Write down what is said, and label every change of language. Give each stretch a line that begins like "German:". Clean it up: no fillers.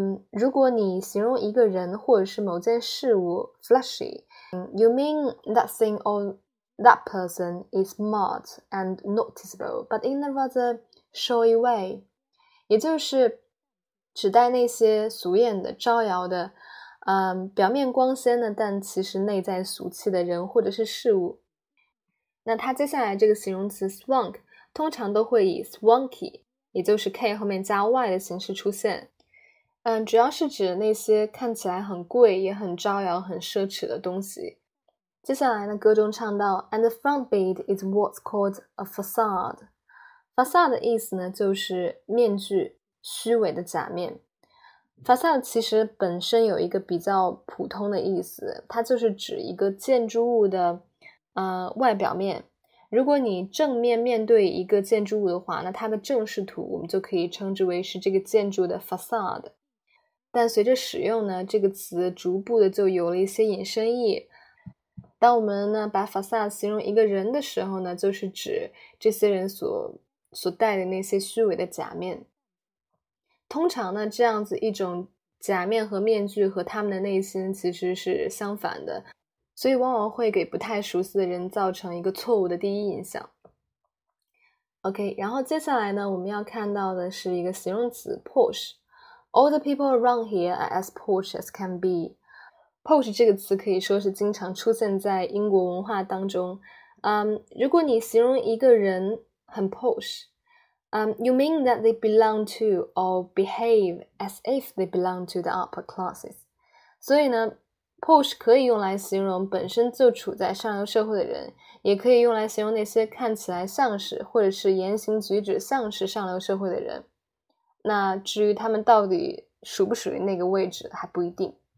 Chinese: 如果你形容一个人或者是某件事物 flashy，
English: you mean that thing or that person is smart and noticeable but in a rather showy way，
Chinese: 也就是指代那些俗艳的、招摇的，表面光鲜的，但其实内在俗气的人或者是事物。那它接下来这个形容词 swank 通常都会以 swanky， 也就是 k 后面加 y 的形式出现。主要是指那些看起来很贵、也很招摇、很奢侈的东西。接下来呢，歌中唱到 ，
English: and the front bit is what's called a facade。
Chinese: facade 的意思呢，就是面具。虚伪的假面 facade 其实本身有一个比较普通的意思，它就是指一个建筑物的外表面。如果你正面面对一个建筑物的话，那它的正视图我们就可以称之为是这个建筑的 facade。但随着使用呢，这个词逐步的就有了一些引申意。当我们呢把 facade 形容一个人的时候呢，就是指这些人所戴的那些虚伪的假面。通常呢，这样子一种假面和面具和他们的内心其实是相反的，所以往往会给不太熟悉的人造成一个错误的第一印象。 OK， 然后接下来呢，我们要看到的是一个形容词 posh。
English: All the people around here are as posh as can be。
Chinese: posh 这个词可以说是经常出现在英国文化当中。如果你形容一个人很
English: poshyou mean that they belong to or behave as if they belong to the upper classes.
Chinese: 所以呢 posh 可以用来形容本身就处在上流社会的人，也可以用来形容那些看起来像是或者是言行举止像是上流社会的人。那至于他们到底属不属于那个位置还不一定。